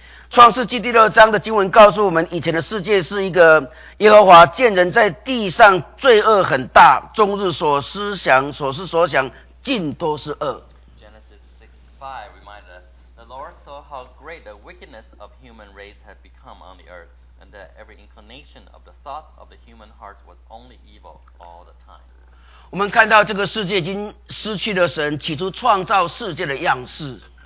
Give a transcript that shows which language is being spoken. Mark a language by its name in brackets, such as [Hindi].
[Chinese] 创世纪第六章的经文告诉我们，以前的世界是一个耶和华见人在地上罪恶很大，终日所思想、所思所想尽都是恶。 [English] Genesis 6:5 reminds us, the Lord saw how great the wickedness of human race had become on the earth, and that every inclination of the thought of the human heart was only evil all the time. [Chinese] 我们看到这个世界已经失去了神起初创造世界的样式。